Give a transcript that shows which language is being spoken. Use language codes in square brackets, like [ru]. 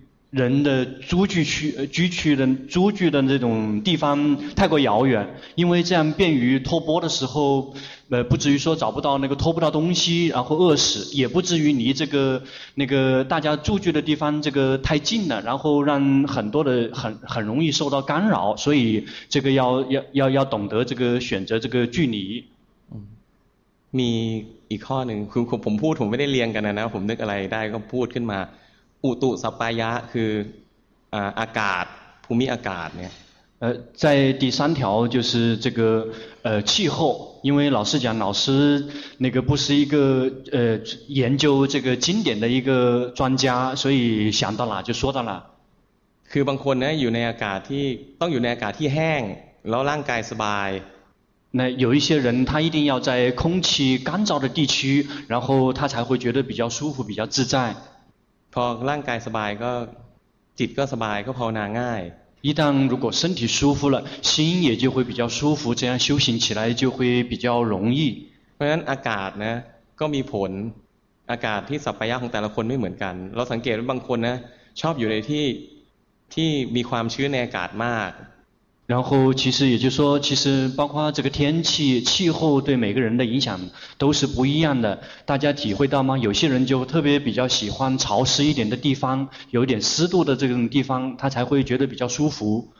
[zh] 人的居住的这种地方太过遥远，因为这样便于托钵的时候，不至于说找不到那个托不到东西，然后饿死，也不至于离这个那个大家住居的地方这个太近了，然后让很多的很容易受到干扰，所以这个要懂得这个选择这个距离。 [th] มีอีกข้อหนึ่งคือผมพูดผมไม่ได้เรียนกันนะผมนึกอะไรได้ก็พูดขึ้นมา อุตุสัปปายะคืออากาศภูมิอากาศเนี่ย [zh] 在第三条就是这个气候，因为老师讲老师那个不是一个研究这个经典的一个专家，所以想到哪就说到哪。 [th] คือบางคนนะอยู่ในอากาศที่ต้องอยู่ในอากาศที่แห้งแล้วร่างกายสบาย [zh] 那有一些人他一定要在空气干燥的地区，然后他才会觉得比较舒服比较自在。 [th] พอร่างกายสบายก็จิตก็สบายก็ภาวนาง่าย [zh] 一旦如果身体舒服了，心也就会比较舒服，这样修行起来就会比较容易。 [th] เพราะฉะนั้นอากาศนะก็มีผลอากาศที่สัปปายะของแต่ละคนไม่เหมือนกันเราสังเกตว่าบางคนนะชอบอยู่ในที่มีความชื้นในอากาศมาก [zh] 然后其实也就是说，其实包括这个天气气候对每个人的影响都是不一样的，大家体会到吗？有些人就特别比较喜欢潮湿一点的地方，有点湿度的这种地方，他才会觉得比较舒服。